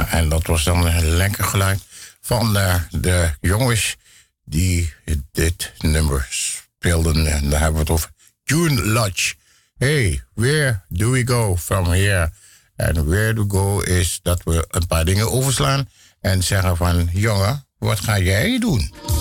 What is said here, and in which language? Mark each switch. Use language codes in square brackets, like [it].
[nl] dat was dan een lekker geluid van de jongens die dit nummer speelden. En daar hebben we het over June Lodge. [en] Hey, where do we go from here? [nl] En [en] where do we go [nl] is dat we een paar dingen overslaan en zeggen van, jongen, wat ga jij doen?